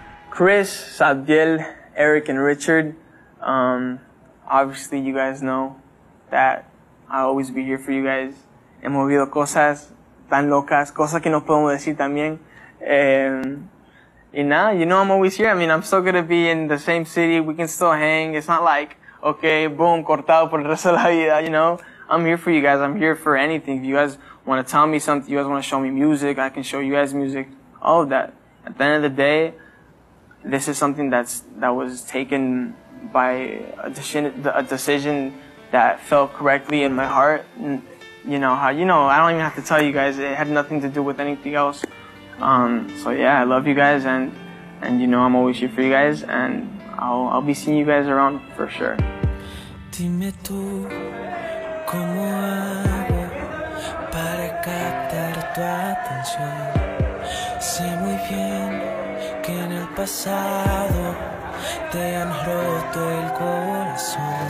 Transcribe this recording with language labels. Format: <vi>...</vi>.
<en>Chris, Sadiel, Eric, and Richard, obviously you guys know that I'll always be here for you guys.</en> <es>He movido cosas tan locas, cosas que no podemos decir también.</es> <en>And now, you know I'm always here. I mean, I'm still going to be in the same city. We can still hang. It's not like, okay, boom,</en> <es>cortado por el resto de la vida,</es> <en>you know. I'm here for you guys. I'm here for anything. If you guys want to tell me something, you guys want to show me music, I can show you guys music, all of that. At the end of the day, this is something that was taken by a decision that felt correctly in my heart. And you know, I don't even have to tell you guys, it had nothing to do with anything else. So yeah, I love you guys, and you know I'm always here for you guys, and I'll be seeing you guys around for sure.</en> <es>Dime tú, ¿cómo hago para captar tu atención? Sé muy bien que en el pasado te han roto el corazón.</es>